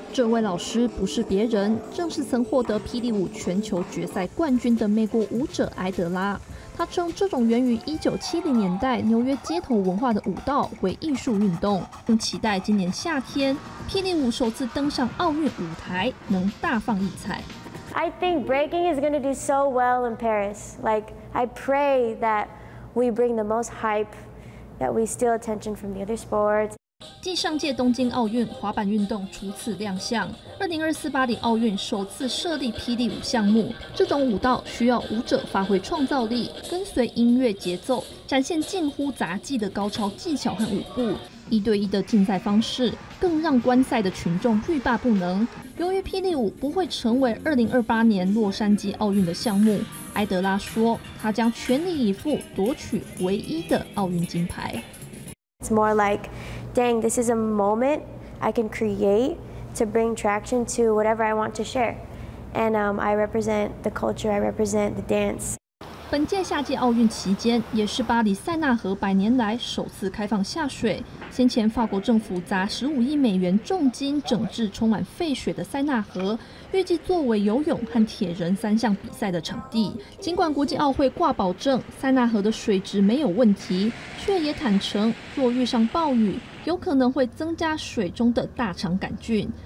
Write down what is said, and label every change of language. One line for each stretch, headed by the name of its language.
Chinese: 这位老师不是别人，正是曾获得霹雳舞全球决赛冠军的美国舞者埃德拉。他称这种源于1970年代纽约街头文化的舞蹈为艺术运动，并期待今年夏天霹雳舞首次登上奥运舞台，能大放异彩。
English: I think breaking is going to do so well in Paris. Like I pray that we bring the most hype, that we steal attention from the other sports.
Chinese: 继上届东京奥运，滑板运动初次亮相。 2024巴黎奥运首次设立霹雳舞项目。这种舞蹈需要舞者发挥创造力，跟随音乐节奏，展现近乎杂技的高超技巧和舞步。一对一的竞赛方式，更让观赛的群众欲罢不能。由于霹雳舞不会成为2028年洛杉矶奥运的项目，埃德拉说，他将全力以赴夺取唯一的奥运金牌。
English: It's more like. Dang, this is a moment I can create to bring traction to whatever I want to share. And I represent the culture, I represent the dance.
Chinese: 本届夏季奥运期间，也是巴黎塞纳河百年来首次开放下水。先前法国政府砸15亿美元重金整治充满废水的塞纳河，预计作为游泳和铁人三项比赛的场地。尽管国际奥会挂保证塞纳河的水质没有问题，却也坦承若遇上暴雨，有可能会增加水中的大肠杆菌。